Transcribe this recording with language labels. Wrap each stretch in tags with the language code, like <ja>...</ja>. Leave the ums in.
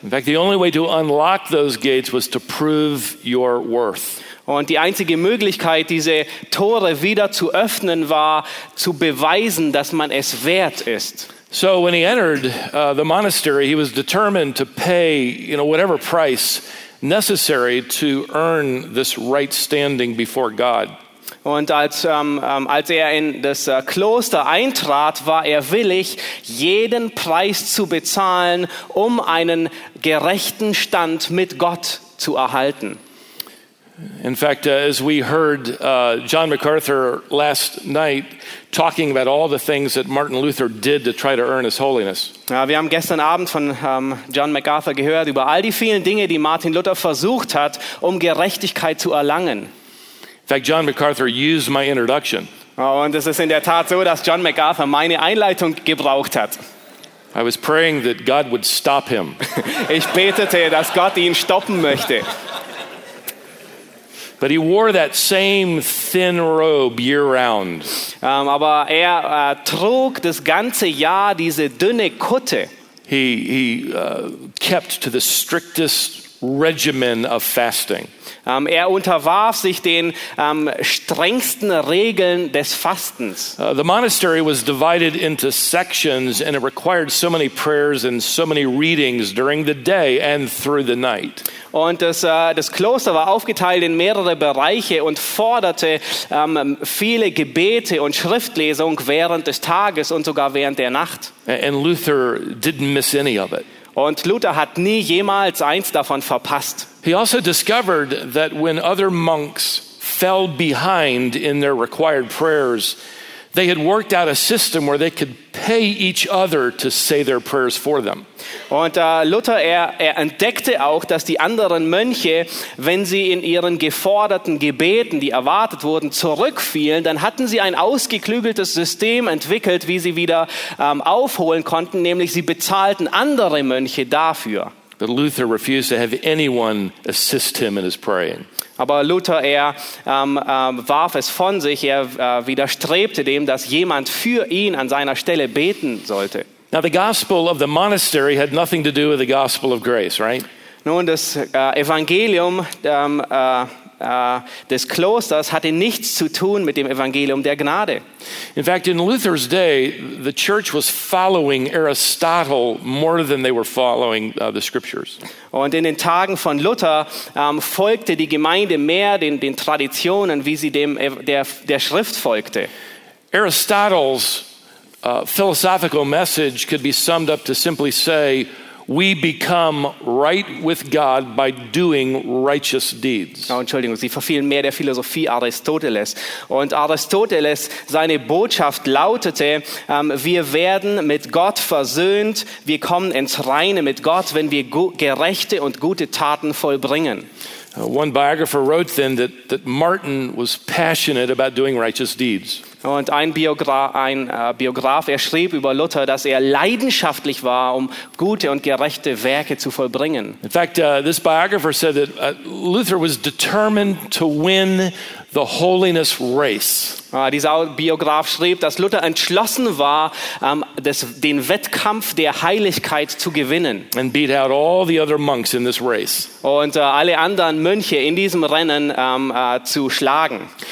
<en>In fact, the only way to unlock those gates was to prove your worth.</en> <de>Und die einzige Möglichkeit, diese Tore wieder zu öffnen, war zu beweisen, dass man es wert ist.</de> <en>So when he entered uh, the monastery, he was determined to pay you know, whatever price necessary to earn this right standing before God.</en> <de>Und als, um, um, als er in das uh, Kloster eintrat, war er willig, jeden Preis zu bezahlen, um einen gerechten Stand mit Gott zu erhalten.</de> <en>In fact, uh, as we heard John MacArthur last night, talking about all the things that Martin Luther did to try to earn his holiness.</en> <de>Ja, wir haben gestern Abend</de> <en>from John MacArthur about all the many things that Martin Luther</en> <de>versucht hat, um Gerechtigkeit zu erlangen.</de> <en>In fact, John MacArthur used my introduction.</en> <de>Oh, und es ist in der Tat so, dass John MacArthur meine Einleitung gebraucht hat.</de> <en>I was praying that God would stop him. I</en> <de>betete, dass Gott ihn stoppen möchte.</de> <en>But he wore that same thin robe year round.</en> <de>Um, aber er uh, trug das ganze Jahr diese dünne Kutte.</de> <en>He, he uh, kept to the strictest regimen of fasting.</en> <de>Um, er unterwarf sich den um, strengsten Regeln des Fastens.</de> <en>Uh, the monastery was divided into sections and it required so many prayers and so many readings during the day and through the night. And the</en> <de>das, uh, das Kloster war aufgeteilt in mehrere Bereiche und forderte ähm, um, viele Gebete und Schriftlesung während des Tages und</de> <en>the night. And, and Luther didn't miss any of it.</en> <de>Und Luther hat nie jemals eins davon verpasst.</de> <en>He also discovered that when other monks fell behind in their required prayers, they had worked out a system where they could pay each other to say their prayers for them.</en> <de>Und uh, Luther er, er entdeckte auch, dass die anderen Mönche, wenn sie in ihren geforderten Gebeten, die erwartet wurden, zurückfielen, dann hatten sie ein ausgeklügeltes System entwickelt, wie sie wieder um, aufholen konnten, nämlich sie bezahlten andere Mönche dafür.</de> <en>But Luther refused to have anyone assist him in his praying.</en> <de>Aber Luther, er um, um, warf es von sich, er uh, widerstrebte dem, dass jemand für ihn an seiner Stelle beten sollte.</de> <en>Grace, right?</en> <de>Nun, das uh, Evangelium, um, uh, Uh, des Klosters hatte nichts zu tun mit dem Evangelium der Gnade.</de> <en>In fact, in Luther's day, the church was following Aristotle more than they were following uh, the scriptures.</en> <de>And in den Tagen von Luther um, folgte die Gemeinde mehr den, den Traditionen, wie sie dem, der, der Schrift folgte.</de> <en>Aristotle's uh, philosophical message could be summed up to simply say, we become right with God by doing righteous deeds.</en> <de>Oh, Entschuldigung, Sie verfielen mehr der Philosophie Aristoteles. Und Aristoteles, seine Botschaft lautete, um, wir werden mit Gott versöhnt, wir kommen ins Reine mit Gott, wenn wir gerechte und gute Taten vollbringen.</de> <en>One biographer wrote then that, that Martin was passionate about doing righteous deeds.</en> <de>Und ein, Biogra ein, uh, Biograf, er schrieb über Luther, dass er leidenschaftlich war, um gute und gerechte Werke zu vollbringen.</de> <en>In fact, uh, biographer said that, uh, Luther was determined to win the holiness race.</en> <de>Uh, dieser Biograf schrieb, dass Luther entschlossen war, um, das, den Wettkampf der Heiligkeit zu gewinnen. All und uh, alle anderen Mönche in diesem Rennen um, uh, zu schlagen.</de>